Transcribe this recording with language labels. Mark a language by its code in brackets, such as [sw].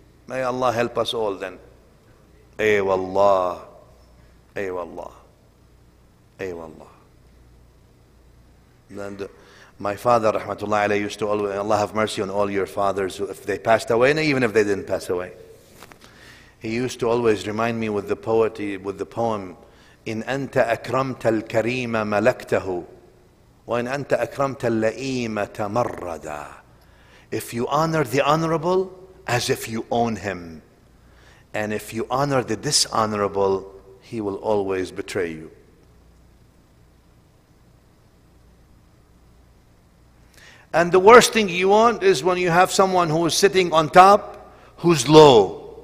[en] May Allah help us all then. Ay wallah. Ay wallah. Ay wallah. Then my father, rahmatullah alayhi, used to always, Allah have mercy on all your fathers if they passed away, and even if they didn't pass away. He used to always remind me with the poem, [ar] إن أنت أكرمت الكريم ملكته وإن أنت أكرمت اللئيمة تمردا. [en] If you honor the honorable as if you own him, and if you honor the dishonorable, he will always betray you. And the worst thing you want is when you have someone who is sitting on top, who's low.